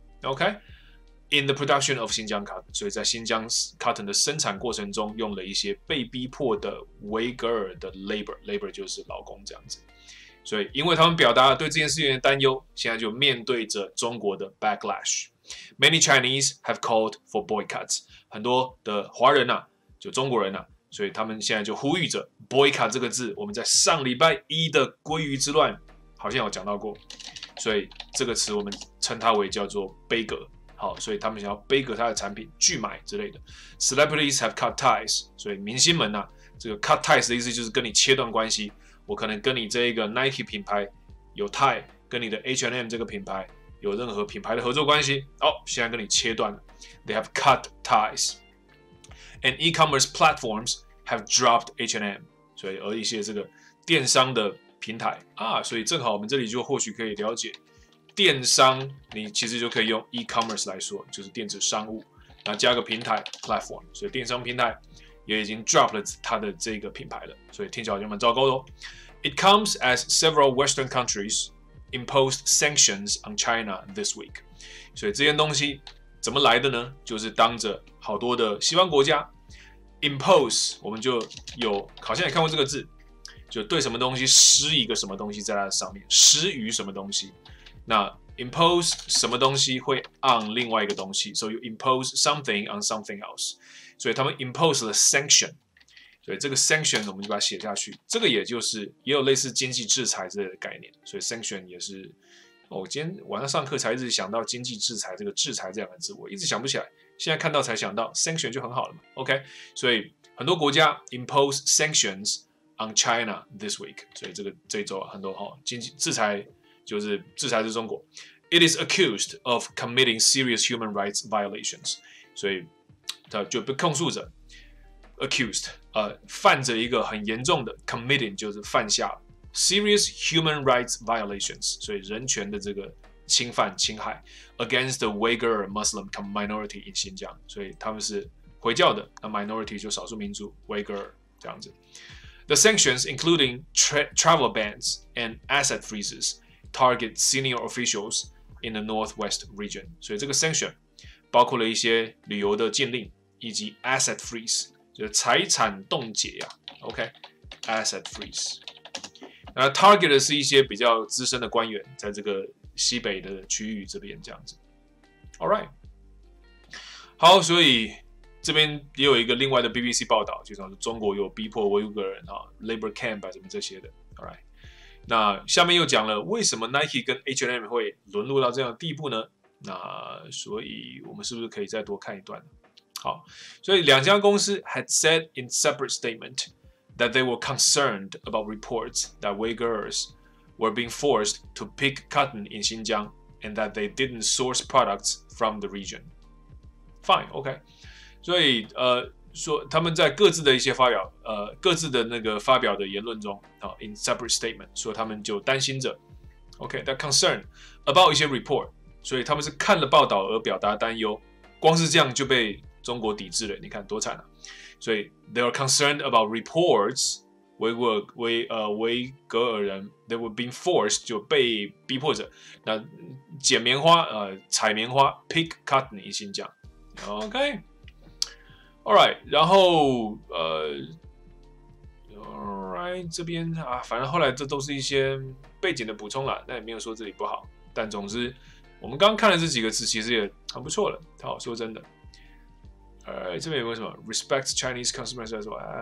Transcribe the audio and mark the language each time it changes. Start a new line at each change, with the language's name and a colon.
English: OK, in the production of 新疆 cotton.
Chinese: 所以在新疆 cotton 的生产过程中用了一些被逼迫的 Uyghur 的 labor. Labor 就是劳工这样子。所以因为他们表达了对这件事情的担忧，现在就面对着中国的 backlash.
English: Many Chinese have called for boycotts.
Chinese: 很多的华人啊，就中国人啊，所以他们现在就呼吁着 boycott 这个字，我们在上礼拜一的鲑鱼之乱好像有讲到过，所以这个词我们称它为叫做杯葛。好，所以他们想要杯葛他的产品，拒买之类的。
English: Celebrities have cut ties，
Chinese: 所以明星们啊，这个 cut ties 的意思就是跟你切断关系，我可能跟你这个 Nike 品牌有 tie， 跟你的 H&M 这个品牌有任何品牌的合作关系，哦，现在跟你切断了。
English: They have cut ties. And e-commerce platforms have dropped H&M，
Chinese: 所以而一些这个电商的平台啊，所以正好我们这里就或许可以了解电商，你其实就可以用 e-commerce 来说，就是电子商务，那加个平台 platform， 所以电商平台也已经 drop 了它的这个品牌了，所以听起来好像蛮糟糕的哦。
English: It comes as several Western countries imposed sanctions on China this week，
Chinese: 所以这件东西。怎么来的呢？就是当着好多的西方国家 impose， 我们就有好像也看过这个字，就对什么东西施一个什么东西在它上面，施于什么东西。那 impose 什么东西会 on 另外一个东西 ，
English: so you impose something on something else。
Chinese: 所以他们 impose 了 sanction， 所以这个 sanction 我们就把它写下去。这个也就是也有类似经济制裁之类的概念，所以 sanction 也是。我今天晚上上课才一直想到经济制裁这个制裁这两个字，我一直想不起来，现在看到才想到 sanction 就很好了嘛。 OK， 所以很多国家
English: impose sanctions on China this week，
Chinese: 所以这一周很多经济制裁就是制裁是中国。
English: It is accused of committing serious human rights violations，
Chinese: 所以他就被控诉着 accused， 犯着一个很严重的 committing 就是犯下。
English: Serious human rights violations，
Chinese: 所以人权的这个侵犯侵害 ，
English: against the Uyghur Muslim minority in Xinjiang，
Chinese: 所以他们是回教的，那 minority 就少数民族 Uyghur 这样子。
English: The sanctions, including travel bans and asset freezes, target senior officials in the northwest region。
Chinese: 所以这个 sanction 包括了一些旅游的禁令，以及 asset freeze， 就是财产冻结呀、啊。
English: OK，asset freeze。
Chinese: Target 的是一些比较资深的官员，在这个西北的区域这边这样子。 All right， 好，所以这边也有一个另外的 BBC 报道，就像是中国有逼迫维吾尔人啊 ，labor camp 啊什么这些的。 All right， 那下面又讲了为什么 Nike 跟 H&M 会沦落到这样的地步呢？那所以我们是不是可以再多看一段？好，所以两家公司
English: had said in separate statement。 That they were concerned about reports that Uyghurs were being forced to pick cotton in Xinjiang and that they didn't source products from the region. Fine, okay.
Chinese: 所以说他们在各自的一些发表，各自的那个发表的言论中，啊 ，in separate statement， 说他们就担心着 ，OK，
English: they're concerned about
Chinese: 一些 report， 所以他们是看了报道而表达担忧，光是这样就被中国抵制了，你看多惨啊！所以
English: they are concerned about reports，
Chinese: 维格尔人
English: they were being forced
Chinese: 就被逼迫着，那捡棉花，采棉花 ，pick cotton 一心讲 ，OK。 Alright， 然后Alright， 这边啊，反正后来这都是一些背景的补充啦，那也没有说这里不好。但总之，我们刚看了这几个字，其实也很不错了。好，说真的，这边有没有什么 respect Chinese customers 啊？